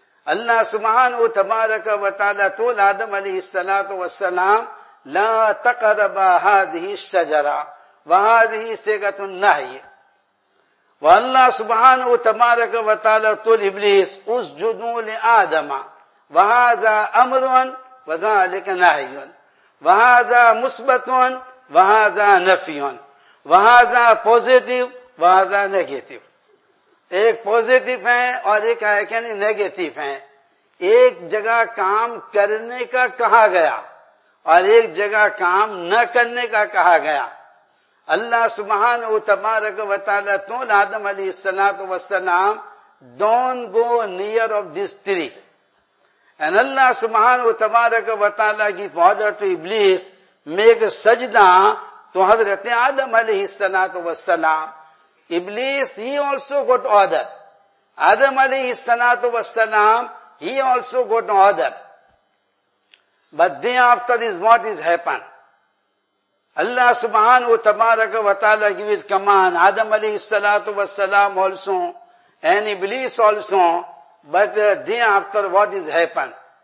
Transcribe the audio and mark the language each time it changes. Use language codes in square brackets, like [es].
[ar] اللہ سبحانہ تبارک و تعالی تول آدم علیہ السلام لا تقرب هذه الشجرہ وهذه صيغة النهي. والله سبحانه تبارك وتعالى طول إبليس اسجدوا لآدم وهذا أمر وذلك نهي وهذا مثبت وهذا نفي وهذا بوزيتيف وهذا نيجاتيف. [ur] ایک پوزیٹیو ہے اور ایک ہے کہ نہیں نیگیٹو ہے. ایک جگہ کام کرنے کا کہا گیا اور ایک جگہ کام نہ کرنے کا کہا گیا. [en] اللہ سبحانہ تبارک و تعالیٰ تول آدم علیہ السلام والسلام don't go near of this tree. And اللہ سبحانہ تبارک و تعالیٰ give order to ابلیس make سجدہ تو حضرت آدم علیہ السلام. Iblis, he also got order. Adam alayhi salatu wassalam, he also got order. But day after is what is happened. Allah subhanahu tabaraka wa ta'ala give it command. Adam alayhi salatu wassalam also, and Iblis also, but day after what is happened.